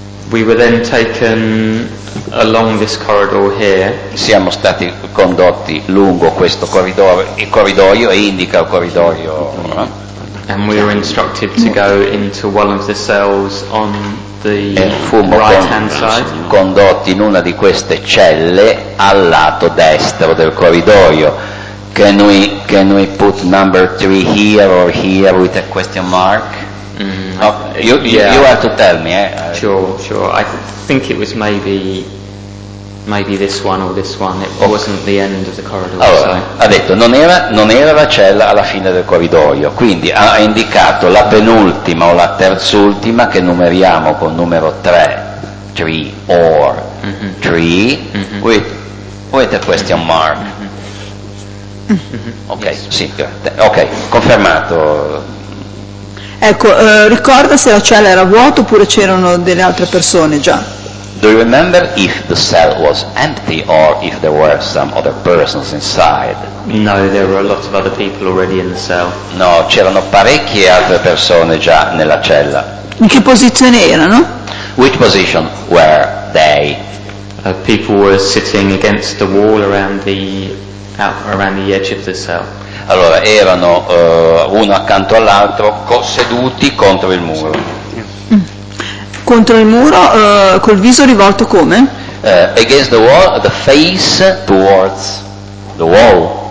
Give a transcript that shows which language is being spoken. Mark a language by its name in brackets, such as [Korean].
[English] We were then taken along this corridor here. [Italian] Siamo stati condotti lungo questo corridoio, il corridoio indica il corridoio. [English] And we were instructed to go into one of the cells on the right-hand side. [Italian] Condotti in una di queste celle al lato destro del corridoio. [English] Can we put number three here or here with a question mark? You have to tell me. Sure. I think it was maybe this one or this one. It wasn't the end of the corridor. [Italian] Allora, ha detto non era la cella alla fine del corridoio. Quindi ha indicato la penultima o la terzultima che numeriamo con numero [English] three with a question mark. [Italian] Okay, confermato. Ecco, ricorda se la cella era vuota oppure c'erano delle altre persone già. [English] Do you remember if the cell was empty or if there were some other persons inside? No, there were a lot of other people already in the cell. [Italian] No, c'erano parecchie altre persone già nella cella. In che posizione erano? [English] Which position were they? People were sitting against the wall around the edge of the cell. [Italian] Allora, erano uno accanto all'altro, seduti contro il muro. Contro il muro, col viso rivolto come? [English] Against the wall, the face towards the wall.